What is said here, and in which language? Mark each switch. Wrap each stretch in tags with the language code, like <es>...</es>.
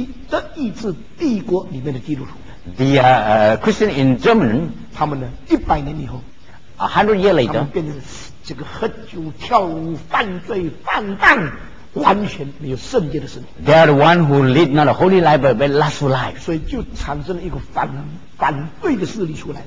<zh>德意志帝国里面的基督徒。</zh> <en>The Christian in Germany.</en> <zh>他们呢？一百年以后。</zh> <en>100 years later.</en> <zh>他们变成这个喝酒、跳舞、犯罪、放荡，完全没有圣洁的生活。</zh> <en>They are the one who lead not a holy life but a lustful life.</en> <zh>所以就产生了一个反对的势力出来。</zh>